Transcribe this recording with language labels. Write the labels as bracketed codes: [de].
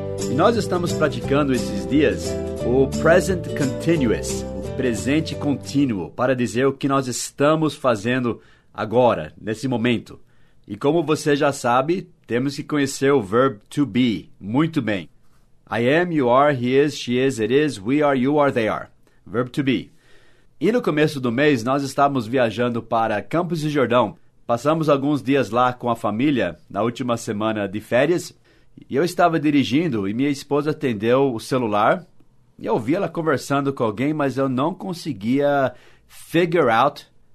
[pt] E nós estamos praticando esses dias o present continuous, o presente contínuo, para dizer o que nós estamos fazendo agora, nesse momento. E como você já sabe, temos que conhecer o verb to be muito bem. [en] I am, you are, he is, she is, it is, we are, you are, they are. Verb to be. [pt] E no começo do mês, nós estávamos viajando para Campos do Jordão. Passamos alguns dias lá com a família, na última semana de férias. E eu estava dirigindo e minha esposa atendeu o celular. E eu ouvi ela conversando com alguém, mas eu não conseguia [en] figure out.